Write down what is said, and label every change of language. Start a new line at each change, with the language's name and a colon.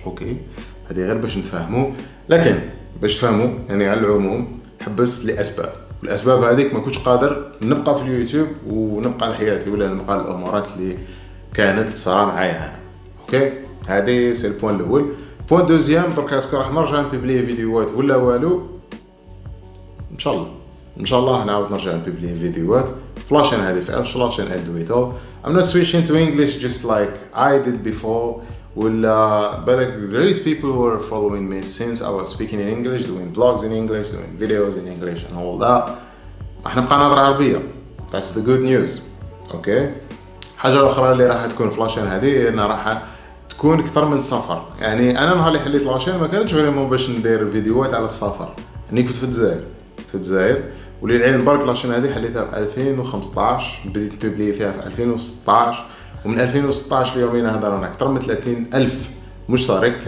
Arabic: اوكي هذه غير باش نتفاهموا، لكن باش تفهموا يعني على العموم حبست لاسباب، والاسباب هذيك ما كنتش قادر نبقى في اليوتيوب ونبقى لحياتي ولا نبقى الامورات اللي كانت صرا معايا. اوكي هذه سي البوان الاول. بوان دوزيام، درك اسكو راح نرجع نبيبلي فيديوهات ولا والو؟ ان شاء الله ان شاء الله نعاود نرجع نبيبلي فيديوهات فلاشين هذه في فلاشين اند ويتو.
English: I'm not switching to English just like I did before. Well, but there is people who are following me since I was speaking in English, doing vlogs in English, doing videos in English and all that.
Arabic: احنا بقى نهضر عربية.
English: That's the good news. Okay.
Arabic: حاجة أخرى اللي راح تكون فلاشين هذه أنا راح تكون أكثر من سفر. يعني أنا نهار اللي حليت لاشين ما كانتش غير باش ندير فيديوهات على السفر. أني كنت في الجزائر. في الجزائر. وللعلم برك لاشين هذه حليتها في 2015، بديت ببلي فيها في 2016، ومن 2016 ليومين هذا رانا اكثر من 30,000 مشترك.